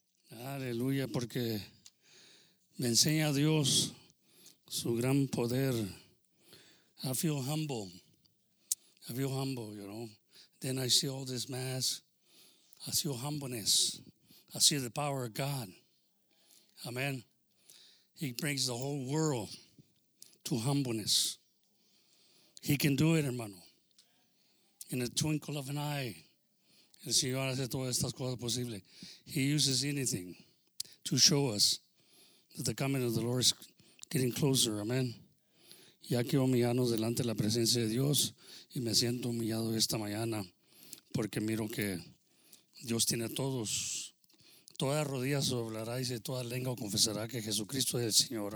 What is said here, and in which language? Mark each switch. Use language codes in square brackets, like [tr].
[es] Aleluya, porque me enseña Dios su gran poder. [en] I feel humble. I feel humble, you know. Then I see all this mass. I see humbleness. I see the power of God. Amen. He brings the whole world to humbleness. He can do it, hermano. In a twinkle of an eye, [es] el Señor hace todas estas cosas posibles. [en] He uses anything to show us that the coming of the Lord is getting closer. Amen. [es] Ya quiero humillarnos delante de la presencia de Dios y me siento humillado esta mañana porque miro que Dios tiene a todos. Toda rodilla se doblará y toda lengua confesará que Jesucristo es el Señor.